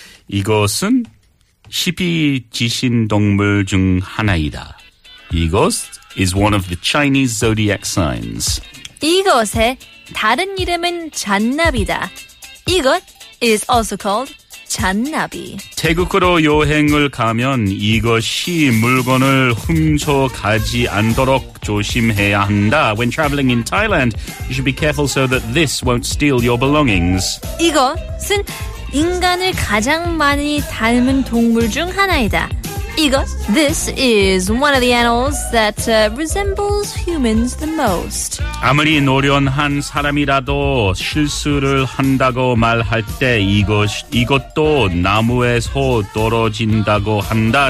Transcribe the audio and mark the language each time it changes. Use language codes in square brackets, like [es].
[ko] 이것은 십이 지신 동물 중 하나이다. 이것 [en] is one of the Chinese zodiac signs. [ko] 이것의 다른 이름은 잔나비다. 이것 [en] is also called 잔나비. [ko] 태국으로 여행을 가면 이것이 물건을 훔쳐가지 않도록 조심해야 한다. [en] When traveling in Thailand, you should be careful so that this won't steal your belongings. [ko] 이것은 인간을 가장 많이 닮은 동물 중 하나이다. 이거, [en] this is one of the animals that resembles humans the most. [ko] 아무리 노련한 사람이라도 실수를 한다고 말할 때 이것도 나무에서 떨어진다고 한다.